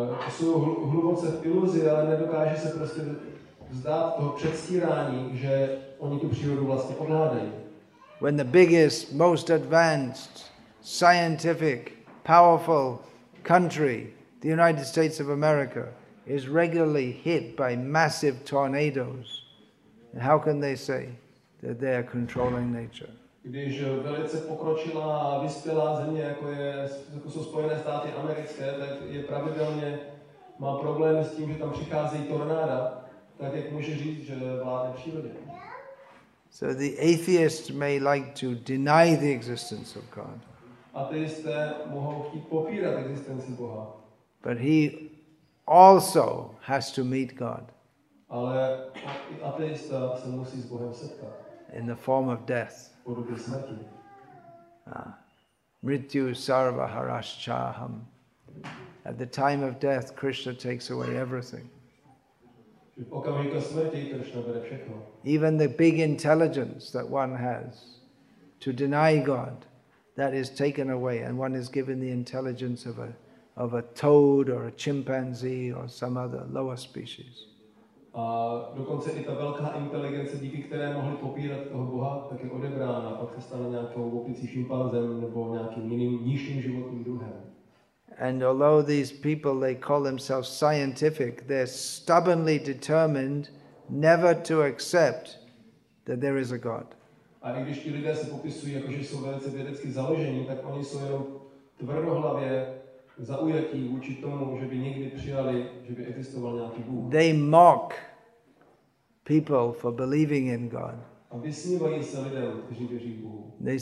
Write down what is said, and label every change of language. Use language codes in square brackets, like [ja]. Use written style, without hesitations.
[cs] Jsou hluboce v iluzi, ale nedokáže se prostě vzdát toho předstírání, že oni tu přírodu vlastně ovládají. [en] When the biggest, most advanced, scientific, powerful country, the United States of America, is regularly hit by massive tornadoes. And how can they say that they are controlling nature? [cs] Když velice pokročilá a vyspělá země, jako jsou Spojené státy americké, tak je pravidelně má problémy s tím, že tam přichází tornáda, tak jak může říct, že vládne přírodě. [en] So the atheist may like to deny the existence of God. [cs] Ateisté mohou chtít popírat existenci Boha. [en] But he also has to meet God. [cs] Ale ateista se musí s Bohem setkat. [en] In the form of death. [cs] Podobě smrti. [sa] Mrityu sarva harashchaham. [en] At the time of death, Krishna takes away everything. [cs] V okamžiku smrti Krishna bere všechno. [en] Even the big intelligence that one has to deny God, that is taken away, and one is given the intelligence of a toad or a chimpanzee or some other lower species. [cs] A dokonce i ta velká inteligence, díky které mohli popírat toho Boha, tak je odebrána, pak se stane nějakou opicí šimpanzem nebo nějakým jiným nižším životním druhem. [en] And although these people, they call themselves scientific, they're stubbornly determined never to accept that there is a God. [cs] A i když ti lidé se popisují jako, že jsou velice vědecky založení, tak oni jsou jenom tvrdohlavě zaujatí vůči tomu, že by někdy přijali, že by existoval nějaký Bůh. [en] They mock people for believing in God. [cs] A vysmívají se lidem, kteří věří Bohu.